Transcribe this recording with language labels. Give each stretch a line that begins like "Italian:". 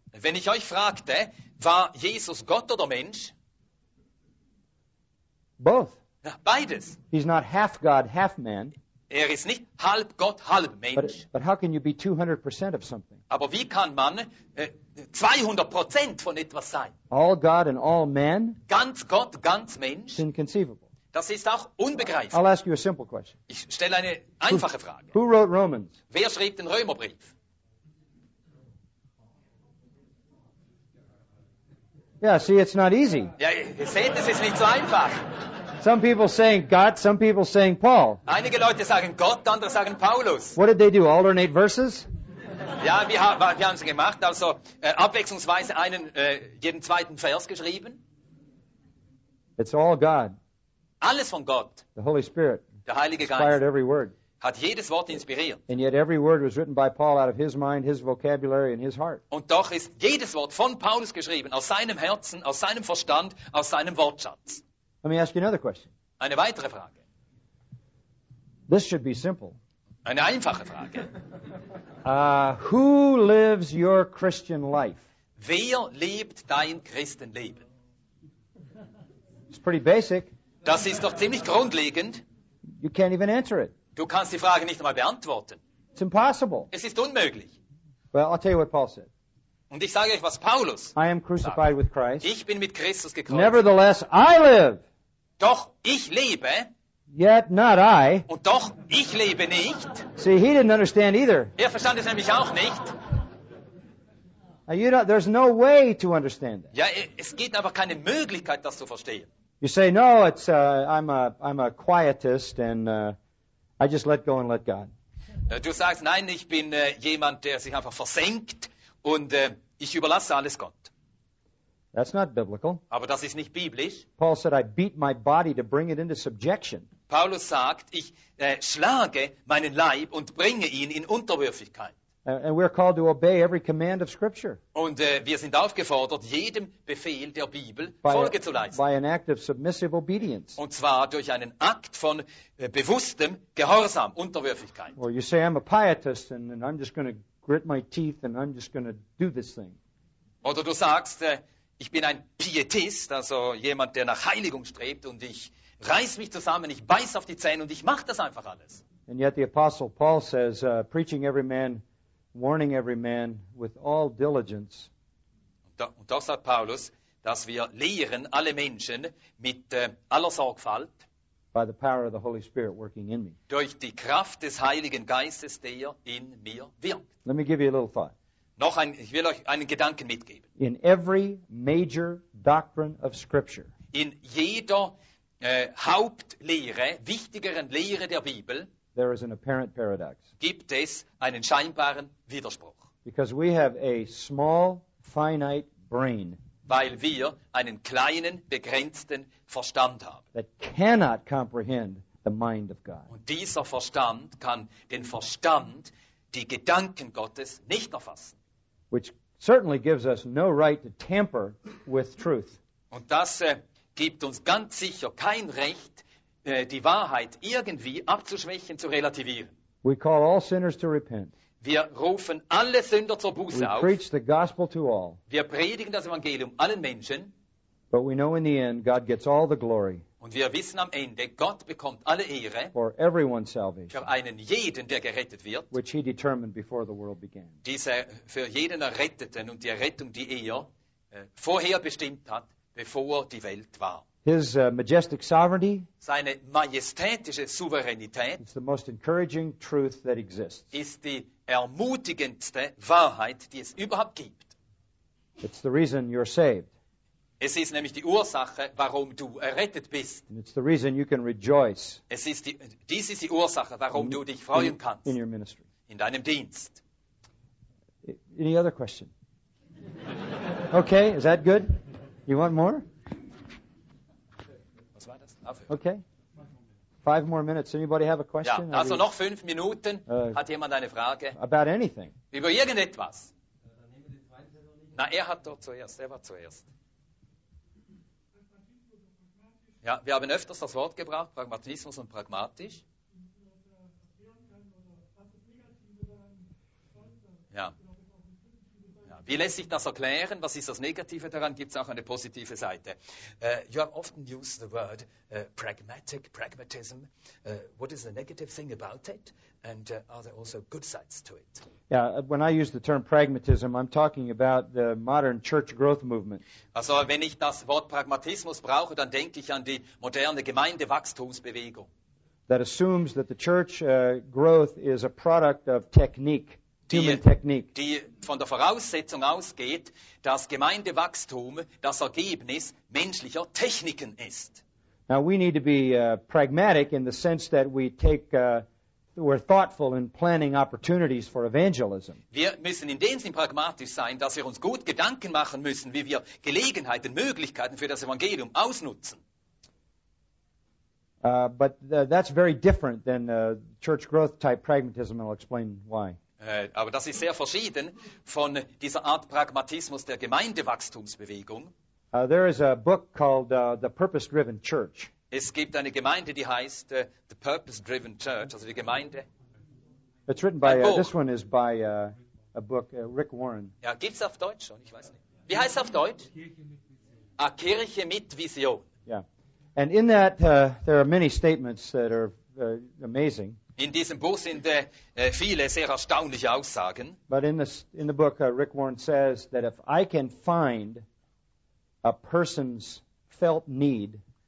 German: Wenn ich euch fragte, war Jesus Gott oder Mensch?
English: Both.
German: Ja, beides.
English: He's not half God, half man.
German: Er ist nicht halb Gott, halb Mensch.
English: But how can you be 200% of something?
German: Aber wie kann man 200% von etwas sein?
English: All God and all man?
German: Ganz Gott, ganz Mensch?
English: Inconceivable.
German: Das ist auch unbegreiflich.
English: I'll ask you a simple question.
German: Ich stelle eine einfache Frage.
English: Who wrote Romans?
German: Wer schrieb den Römerbrief?
English: Yeah, see, it's not easy.
German: Ja, ihr seht, es ist nicht so einfach.
English: Some people saying God, some people saying Paul.
German: Einige Leute sagen Gott, andere sagen Paulus.
English: What did they do? Alternate verses?
German: Ja, wir haben sie gemacht. Also abwechslungsweise jeden zweiten Vers geschrieben.
English: It's all God.
German: Alles von Gott.
English: The Holy Spirit.
German: Der Heilige Geist.
English: Inspired every word.
German: Hat jedes Wort inspiriert.
English: And yet every word was written by Paul out of his mind, his vocabulary, and his heart.
German: Und doch ist jedes Wort von Paulus geschrieben, aus seinem Herzen, aus seinem Verstand, aus seinem Wortschatz.
English: Let me ask you another question.
German: Eine weitere Frage.
English: This should be simple.
German: Eine einfache Frage.
English: Who lives your Christian life?
German: Wer lebt dein Christenleben?
English: It's pretty basic.
German: Das ist doch ziemlich grundlegend.
English: You can't even answer it.
German: Du kannst die Frage nicht einmal beantworten.
English: It's impossible.
German: Es ist unmöglich.
English: Well, I'll tell you what Paul said.
German: Und ich sage euch, was Paulus
English: I am crucified
German: sagt.
English: With Christ.
German: Ich bin mit Christus gekreuzigt.
English: Nevertheless, I live.
German: Doch ich lebe.
English: Yet not I.
German: Und doch ich lebe nicht.
English: See, he didn't understand either.
German: Er verstand es nämlich auch nicht.
English: Now, you know, there's no way to understand that.
German: Ja, es gibt aber keine Möglichkeit, das zu verstehen.
English: You say, no, it's I'm a quietist and I just let go and let God.
German: Du sagst, nein, ich bin jemand, der sich einfach versenkt und ich überlasse alles Gott.
English: That's not biblical.
German: Aber das ist nicht biblisch.
English: Paul said, I beat my body to bring it into subjection.
German: Paulus sagt, ich schlage meinen Leib und bringe ihn in Unterwürfigkeit.
English: And we're called to obey every command of Scripture.
German: Und wir sind aufgefordert, jedem Befehl der Bibel Folge zu leisten.
English: By an act of submissive obedience.
German: Und zwar durch einen Akt von bewusstem Gehorsam, Unterwürfigkeit.
English: Or you say, I'm a pietist and I'm just going to grit my teeth and I'm just going to do this thing.
German: Oder du sagst, ich bin ein Pietist, also jemand, der nach Heiligung strebt und ich reiß mich zusammen, ich beiß auf die Zähne und ich mache das einfach alles.
English: And yet the Apostle Paul says, preaching every man, warning every man with all diligence.
German: Und doch sagt Paulus, dass wir lehren alle Menschen mit aller Sorgfalt
English: by the power of the Holy Spirit working in me.
German: Durch die Kraft des Heiligen Geistes, der in mir wirkt.
English: Let me give you a little thought.
German: Ich will euch einen Gedanken mitgeben.
English: In every major doctrine of Scripture,
German: in jeder Hauptlehre, wichtigeren Lehre der Bibel,
English: there is an apparent paradox.
German: Gibt es einen scheinbaren Widerspruch.
English: Because we have a small, finite brain,
German: weil wir einen kleinen, begrenzten Verstand haben,
English: that cannot comprehend the mind of God.
German: Und dieser Verstand kann den Verstand, die Gedanken Gottes, nicht erfassen.
English: Which certainly gives us no right to tamper with truth.
German: Und das gibt uns ganz sicher kein Recht, die Wahrheit irgendwie abzuschwächen, zu relativieren.
English: We call all sinners to repent.
German: Wir rufen alle Sünder zur Buße
English: we
German: auf.
English: Preach the gospel to all.
German: Wir predigen das Evangelium allen Menschen.
English: But we know in the end, God gets all the glory.
German: Und wir wissen am Ende, Gott bekommt alle Ehre
English: for everyone's salvation,
German: für einen jeden, der gerettet wird,
English: which he determined before the world began.
German: Diese für jeden Erretteten und die Errettung, die er vorher bestimmt hat, bevor die Welt war.
English: His majestic sovereignty,
German: seine majestätische Souveränität,
English: is the most encouraging truth that exists.
German: Ist die ermutigendste Wahrheit, die es überhaupt gibt.
English: It's the reason you're saved.
German: Es ist nämlich die Ursache, warum du errettet bist.
English: It's the reason you can rejoice.
German: Es ist die Ursache, warum du dich freuen kannst.
English: In your ministry.
German: In deinem Dienst.
English: Any other question? Okay, is that good? You want more?
German: Was war das?
English: Okay. 5 more minutes. Anybody have a question?
German: Ja, also noch 5 Minuten. Hat jemand eine Frage?
English: About anything.
German: Über irgendetwas. Na, er hat doch zuerst. Er war zuerst. Ja, wir haben öfters das Wort gebracht, Pragmatismus und pragmatisch. Ja. Ja. Wie lässt sich das erklären? Was ist das Negative daran? Gibt es auch eine positive Seite?
English: You have often used the word pragmatic, pragmatism. What is the negative thing about it? And are there also good sides to it? Yeah, when I use the term pragmatism, I'm talking about the modern church growth movement.
German: Also, wenn ich das Wort Pragmatismus brauche, dann denke ich an die moderne Gemeindewachstumsbewegung.
English: That assumes that the church growth is a product of technique, human technique.
German: Die von der Voraussetzung ausgeht, dass Gemeindewachstum das Ergebnis menschlicher Techniken ist.
English: Now we need to be pragmatic in the sense that we take we're thoughtful in planning opportunities for evangelism.
German: Wir müssen in dem Sinn pragmatisch sein, dass wir uns gut Gedanken machen müssen, wie wir Gelegenheiten, Möglichkeiten für das Evangelium ausnutzen.
English: But that's very different than church growth type pragmatism, and I'll explain why.
German: Aber das ist sehr verschieden von dieser Art Pragmatismus der Gemeindewachstumsbewegung.
English: There is a book called The Purpose-Driven Church.
German: Es gibt eine Gemeinde, die heißt the Purpose-Driven Church, also die Gemeinde.
English: It's written by this one is by a book Rick Warren.
German: Ja, gibt's auf Deutsch schon? Ich weiß nicht. Wie heißt es auf Deutsch? A Kirche mit Vision.
English: Yeah, and in that there are many statements that are amazing.
German: In diesem Buch sind viele sehr erstaunliche Aussagen.
English: But in the book Rick Warren says that if I can find a person's felt need.